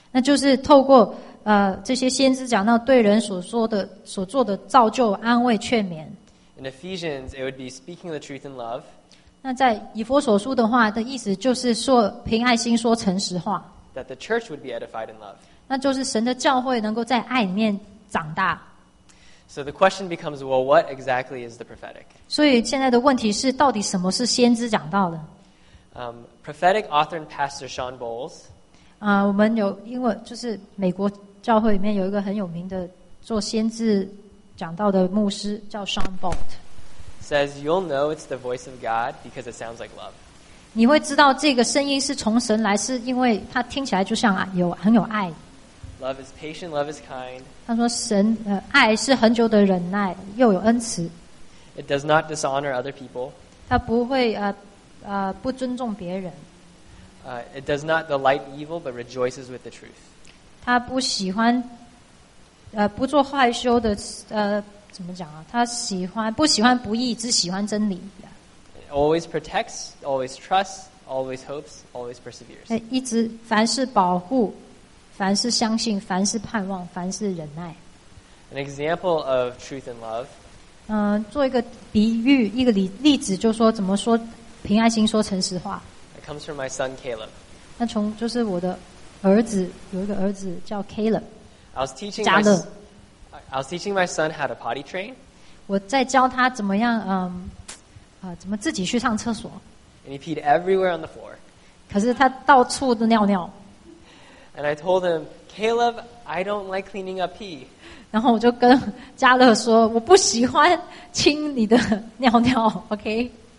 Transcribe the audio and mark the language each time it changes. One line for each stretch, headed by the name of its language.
Chinese: 那就是透过这些先知讲到对人所做的造就、安慰、劝勉。
English: In Ephesians, it would be speaking the truth in love.
Chinese: 那在以弗所书的话的意思就是说凭爱心说诚实话。
English: That the church would be edified in love.
Chinese: 那就是神的教会能够在爱里面长大。
English: So the question becomes, well, what exactly is the prophetic?
Chinese: 所以现在的问题是，到底什么是先知讲到的？
English: Prophetic author and pastor Sean Bowles.
Chinese: 我们有因为就是美国教会里面有一个很有名的做先知讲道的牧师叫 Sean Bolt.
English: Says you'll know it's the voice of God because it sounds like love.
Chinese: 你会知道这个声音是从神来，是因为它听起来就像有很有爱。
English: Love is patient. Love is kind.
Chinese: 他说神爱是很久的忍耐，又有恩慈。
English: It does not dishonor other people.
Chinese: 他不会不尊重别人。
English: It does not delight evil, but rejoices with the truth.
Chinese: 他不喜欢，不做害羞的，怎么讲啊？他喜欢不喜欢不义，只喜欢真理。
English: It always protects, always trusts, always hopes, always perseveres.
Chinese: 一直凡事保护，凡事相信，凡事盼望，凡事忍耐。
English: An example of truth and love.
Chinese: 做一个比喻，一个例子，就说怎么说。凭爱心说诚实话。
English: It comes from my son Caleb.
Chinese: 那从就是我的儿子，有一个儿子叫 Caleb。
English: I was teaching my son how to potty train.
Chinese: 我在教他怎么样，怎么自己去上厕所。
English: And he peed everywhere on the floor.
Chinese: 可是他到处都尿尿。
English: And I told him, Caleb, I don't like cleaning up pee.
Chinese: 然后我就跟加勒说，我不喜欢清你的尿尿 ，OK。